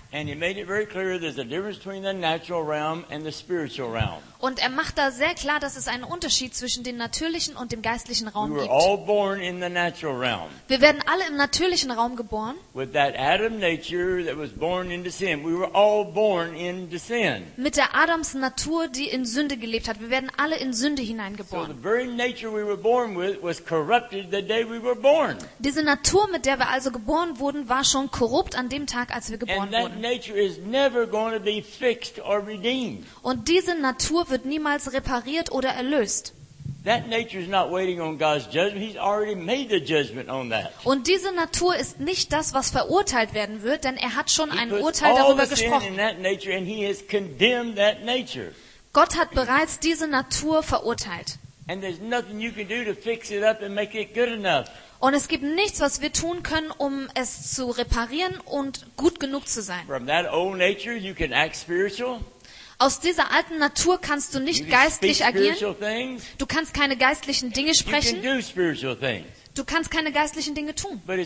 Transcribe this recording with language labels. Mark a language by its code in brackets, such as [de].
[de] Und er macht es sehr klar, dass es einen Unterschied zwischen dem natürlichen Raum und dem spirituellen Raum gibt. Und er macht da sehr klar, dass es einen Unterschied zwischen dem natürlichen und dem geistlichen Raum gibt. [en] We were all born in the natural realm. [de] Wir werden alle im natürlichen Raum geboren. [en] With that Adam nature that was born into sin. We were all born into sin. [de] Mit der Adams Natur, die in Sünde gelebt hat. Wir werden alle in Sünde hineingeboren. [en] So the very nature we were born with was corrupted the day we were born. [de] Diese Natur, mit der wir also geboren wurden, war schon korrupt an dem Tag, als wir geboren wurden. [en] And that nature is never going to be fixed or redeemed. [de] Und diese Natur wird niemals repariert oder erlöst. [en] That nature is not waiting on God's judgment. He's already made the judgment on that. [de] Und diese Natur ist nicht das, was verurteilt werden wird, denn er hat schon ein Urteil darüber gesprochen. [en] In that nature and he has condemned that nature. [de] Gott hat bereits diese Natur verurteilt. [en] And there's nothing you can do to fix it up and make it good enough. [de] Und es gibt nichts, was wir tun können, um es zu reparieren und gut genug zu sein. [en] From that old nature you can act spiritual. [de] Aus dieser alten Natur kannst du nicht geistlich agieren. Du kannst keine geistlichen Dinge sprechen. Du kannst keine geistlichen Dinge tun.